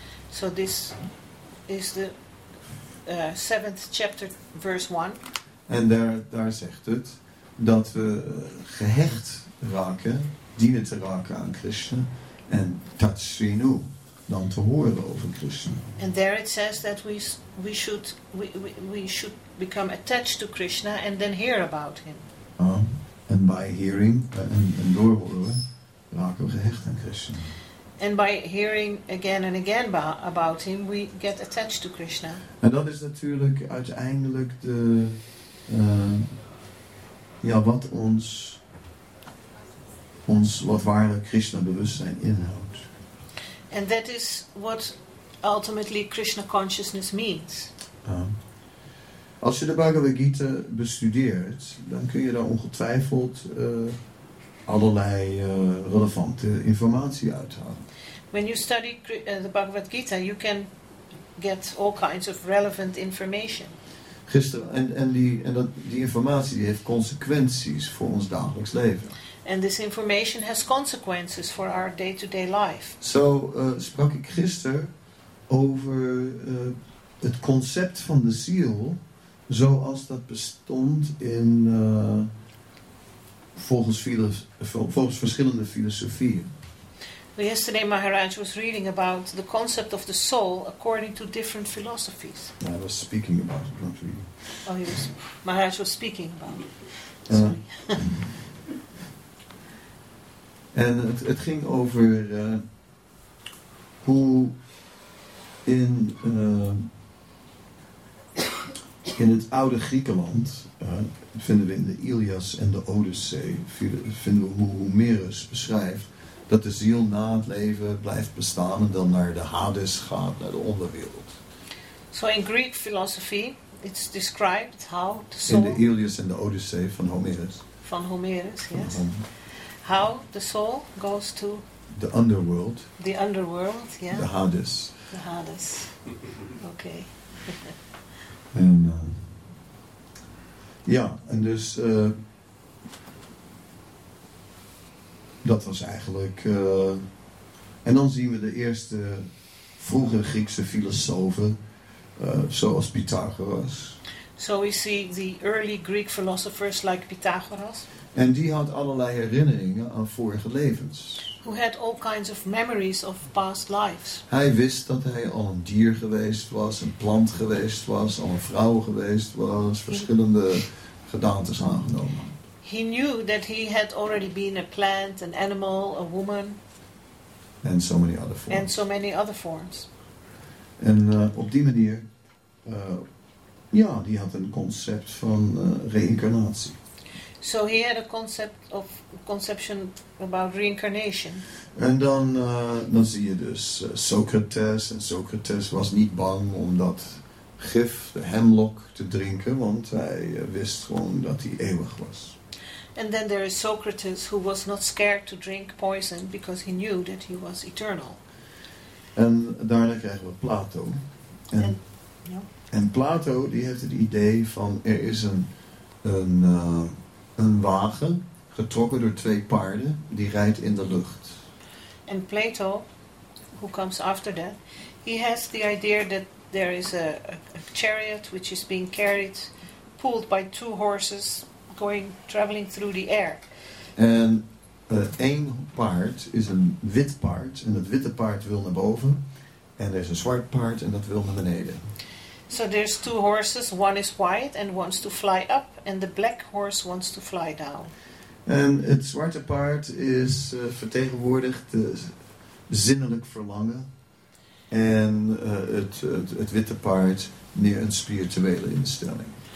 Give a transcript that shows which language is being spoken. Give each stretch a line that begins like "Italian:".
English: So this is the seventh chapter, verse 1.
Dutch: En daar zegt het dat we gehecht raken, dienen te raken aan Krishna, en tatsvinu, dan te horen over Krishna.
English: And there it says that we should become attached to Krishna and then hear about him. And by hearing,
Dutch: en door horen, raken we gehecht aan Krishna.
English: And by hearing again and again about him, we get attached to Krishna.
Dutch: En dat is natuurlijk uiteindelijk de wat ons ons wat ware Krishna bewustzijn inhoudt.
English: And that is what ultimately Krishna consciousness means.
Dutch: Als je de Bhagavad Gita bestudeert, dan kun je daar ongetwijfeld allerlei relevante informatie uithalen.
English: When you study the Bhagavad Gita, you can get all kinds of relevant information.
Dutch: Gisteren en die informatie heeft consequenties voor ons dagelijks leven.
English: And this information has consequences for our day-to-day life.
Dutch: Zo sprak ik gisteren over het concept van de ziel, zoals dat bestond in volgens verschillende filosofieën.
English: Yesterday Maharaj was reading about the concept of the soul according to different philosophies. I was speaking about it, not reading. Oh, yes. Maharaj was speaking about it.
Dutch: En het ging over hoe in het oude Griekenland, vinden we in de Ilias en de Odyssee, vinden we hoe Homerus beschrijft dat de ziel na het leven blijft bestaan en dan naar de Hades gaat, naar de onderwereld.
English: So in Greek philosophy, it's described how the soul...
Dutch: In de Ilias en de Odyssee van Homerus.
English: Van Homerus, yes. How the soul goes to the underworld. The underworld, yeah. The Hades. The Hades. Okay.
Dutch: En ja, en dus dat was eigenlijk. En dan zien we de eerste vroege Griekse filosofen, zoals Pythagoras.
English: So we see the early Greek philosophers like Pythagoras.
Dutch: En die had allerlei herinneringen aan vorige levens.
English: Who had all kinds of memories of past lives.
Dutch: Hij wist dat hij al een dier geweest was, een plant geweest was, al een vrouw geweest was, verschillende gedaantes aangenomen.
English: He knew that he had already been a plant, an animal, a woman. And so many other forms. And so many other forms.
Dutch: En op die manier, ja, die had een concept van reïncarnatie.
English: So he had a concept of conception about reincarnation.
Dutch: En dan zie je dus Socrates. En Socrates was niet bang om dat gif, de hemlock, te drinken, want hij wist gewoon dat hij eeuwig was.
English: And then there is Socrates, who was not scared to drink poison because he knew that he was eternal.
Dutch: En daarna krijgen we Plato. En Plato die heeft het idee van er is een wagen getrokken door twee paarden die rijdt in de lucht.
English: And Plato, who comes after that, he has the idea that there is a chariot which is being carried, pulled by two horses, going traveling through the air.
Dutch: En één paard is een wit paard en het witte paard wil naar boven, en er is een zwart paard en dat wil naar beneden.
English: So there's two horses, one is white and wants to fly up, and the black horse wants to fly down.
Dutch: En het zwarte paard is vertegenwoordigt zinnelijk verlangen, en het witte paard meer een spirituele instelling.